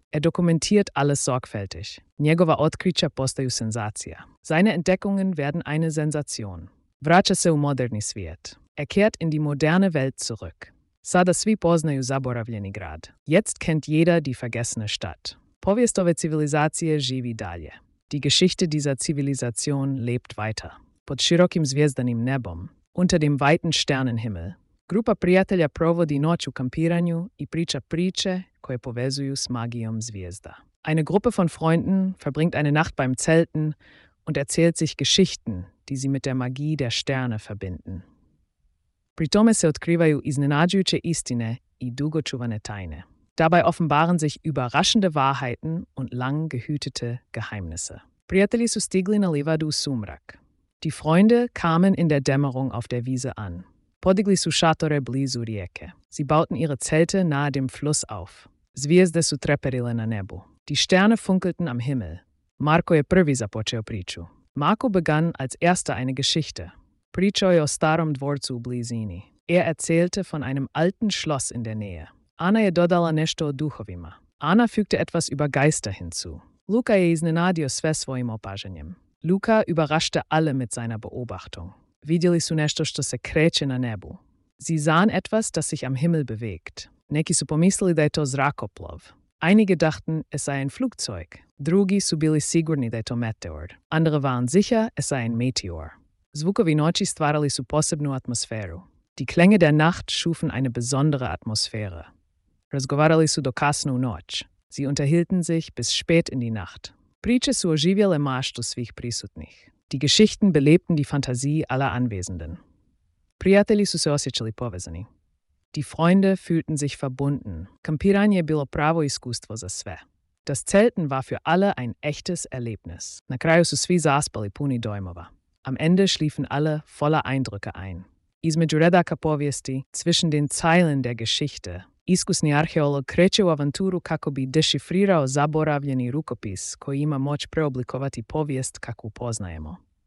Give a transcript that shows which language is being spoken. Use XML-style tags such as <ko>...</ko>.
<de>Dokumentiert alles sorgfältig.</de> <hr>Njegova otkrića postaju senzacija.</hr> <de>Seine Entdeckungen werden eine Sensation.</de> <hr>Vraća se u moderni svijet.</hr> <de>Kehrt in die moderne Welt zurück.</de> <hr>Sada svi poznaju zaboravljeni grad.</hr> <de>Jetzt kennt jeder die vergessene Stadt.</de> <hr>Povijest ove civilizacije živi dalje.</hr> <de>Die Geschichte dieser Zivilisation lebt weiter.</de> <hr>Pod širokim zvijezdanim nebom.</hr> <de>Unter dem weiten Sternenhimmel.</de> <hr>Grupa prijatelja provodi noć u kampiranju i priča priče koje povezuju s magijom zvijezda.</hr> <de>Eine Gruppe von Freunden verbringt eine Nacht beim Zelten und erzählt sich Geschichten, die sie mit der Magie der Sterne verbinden.</de> <hr>Pri tome se otkrivaju iznenađujuće istine i dugo čuvane tajne.</hr> <de>Dabei offenbaren sich überraschende Wahrheiten und lang gehütete Geheimnisse.</de> <hr>Prijatelji su stigli na livadu u sumrak.</hr> <de>Die Freunde kamen in der Dämmerung auf der Wiese an.</de> <hr>Podigli su šatore blizu rijeke.</hr> <de>Sie bauten ihre Zelte nahe dem Fluss auf.</de> <hr>Zvijezde su treperile na nebu.</hr> <de>Die Sterne funkelten am Himmel.</de> <hr>Marko je prvi započeo priču.</hr> <de>Marko begann als erster eine Geschichte.</de> <hr>Pričao je o starom dvorcu u blizini.</hr> <de>Erzählte von einem alten Schloss in der Nähe.</de> <hr>Anna je dodala nešto o duhovima.</hr> <de>Anna fügte etwas über Geister hinzu.</de> <hr>Luka je iznenadio sve svojim opažanjem.</hr> <de>Luka überraschte alle mit seiner Beobachtung.</de> <hr>Vidjeli su nešto što se kreće na nebu.</hr> <de>Sie sahen etwas, das sich am Himmel bewegt.</de> <hr>Neki su pomislili da je to zrakoplov.</hr> <de>Einige dachten, es sei ein Flugzeug.</de> <hr>Drugi su bili sigurni da je to meteor.</hr> <de>Andere waren sicher, es sei ein Meteor.</de> <hr>Zvukovi noći stvarali su posebnu atmosferu.</hr> <de>Die Klänge der Nacht schufen eine besondere Atmosphäre.</de> <hr>Razgovarali su do kasno u noć.</hr> <de>Sie unterhielten sich bis spät in die Nacht.</de> <hr>Priče su oživjele maštu svih prisutnih.</hr> <de>Die Geschichten belebten die Fantasie aller Anwesenden.</de> <hr>Prijatelji su se osjećali povezani. Die Freunde fühlten sich verbunden. Kampiranje je bilo pravo iskustvo za sve.</hr> <de>Das Zelten war für alle ein echtes Erlebnis.</de> <hr>Na kraju su svi zaspali puni dojmova.</hr> <de>Am Ende schliefen alle voller Eindrücke ein.</de> <hr>Između redaka povijesti,</hr> <de>zwischen den Zeilen der Geschichte,</de> <hr>iskusni arheolog kreće u avanturu kako bi dešifrirao zaboravljeni rukopis koji ima moć preoblikovati povijest kakvu poznajemo.</hr>